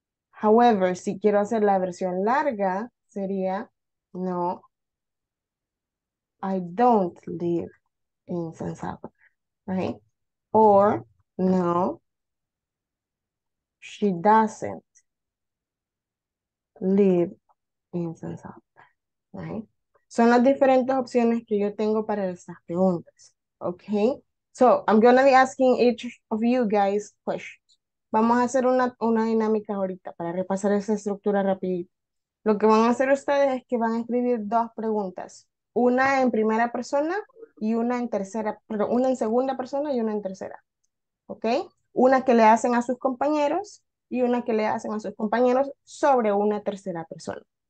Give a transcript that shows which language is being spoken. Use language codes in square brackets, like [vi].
[es] However, si quiero hacer la versión larga, sería, no, [en] I don't live in San Salvador, right? Or, no, she doesn't live in San Salvador, right? [es] Son las diferentes opciones que yo tengo para estas preguntas, okay? [en] So, I'm going to be asking each of you guys questions. [es] Vamos a hacer una dinámica ahorita para repasar esa estructura rapidito. Lo que van a hacer ustedes es que van a escribir dos preguntas. Una en primera persona y una en tercera, pero una en segunda persona y una en tercera. ¿Ok? Una que le hacen a sus compañeros y una que le hacen a sus compañeros sobre una tercera persona.